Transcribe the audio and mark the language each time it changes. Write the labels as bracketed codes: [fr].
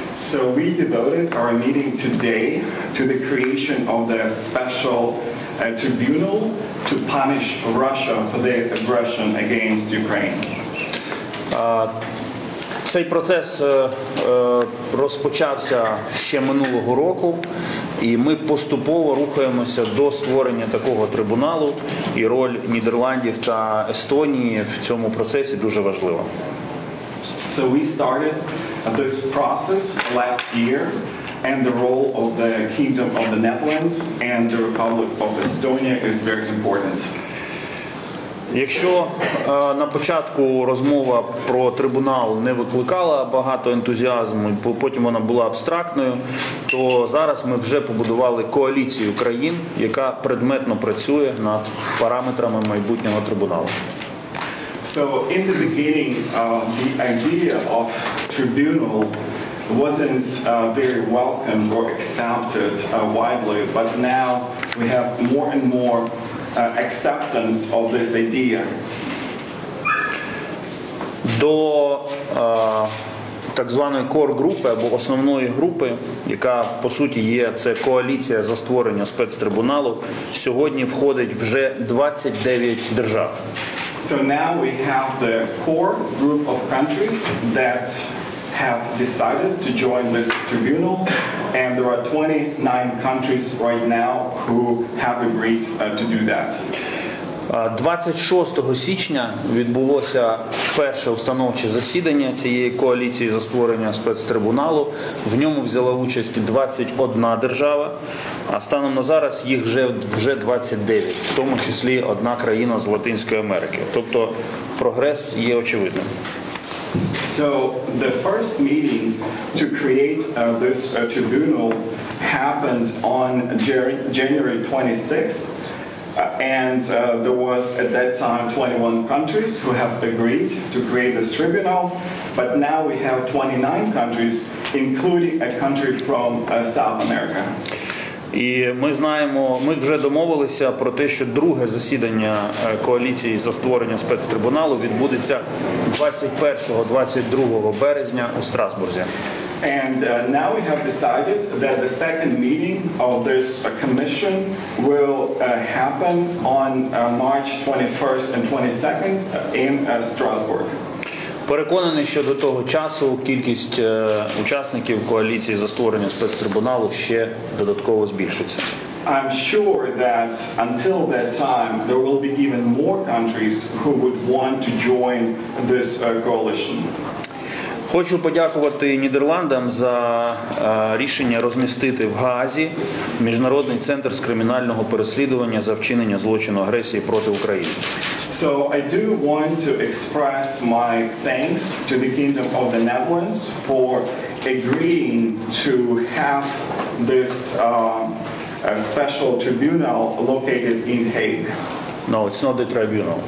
[en] So we devoted our meeting today to the creation of the special tribunal to punish Russia for their aggression against Ukraine. [uk] Цей процес розпочався ще минулого року, і ми поступово рухаємося до створення такого трибуналу, і роль Нідерландів та Естонії в цьому процесі дуже важлива. [en] So we started this process last year, and the role of the Kingdom of the Netherlands and the Republic of Estonia is very important. [uk] Якщо на початку розмова про трибунал не викликала багато ентузіазму, потім вона була абстрактною, то зараз ми вже побудували коаліцію країн, яка предметно працює над параметрами майбутнього трибуналу. [en] So in the beginning, the idea of tribunal wasn't very welcome or accepted widely, but now we have more and more acceptance of this idea. [uk] До так званої core групи або основної групи, яка по суті є, це коаліція за створення спецтрибуналу, сьогодні входить вже 29 держав. [en] So now we have the core group of countries that have decided to join this tribunal, and there are 29 countries right now who have agreed to do that. [uk] 26 січня відбулося перше установче засідання цієї коаліції за створення спецтрибуналу. В ньому взяла участь 21 держава, а станом на зараз їх вже 29, в тому числі одна країна з Латинської Америки. Тобто прогрес є очевидним. [en] So the first meeting to create this tribunal happened on January 26th, and there was at that time 21 countries who have agreed to create this tribunal, but now we have 29 countries, including a country from South America. [uk] І ми знаємо, ми вже домовилися про те, що друге засідання коаліції за створення спецтрибуналу відбудеться 21-22 березня у Страсбурзі. [en] And now we have decided that the second meeting of this commission will happen on March 21st and 22nd in Strasbourg. [uk] Переконаний, що до того часу кількість учасників коаліції за створення спецтрибуналу ще додатково збільшиться. [en] I'm sure that until that time there will be even more countries who would want to join this coalition. [uk] Хочу подякувати Нідерландам за рішення розмістити в Гаазі міжнародний центр з кримінального переслідування за вчинення злочину агресії проти України. [en] So I do want to express my thanks to the Kingdom of the Netherlands for agreeing to have this special tribunal located in Hague. No, it's not the tribunal.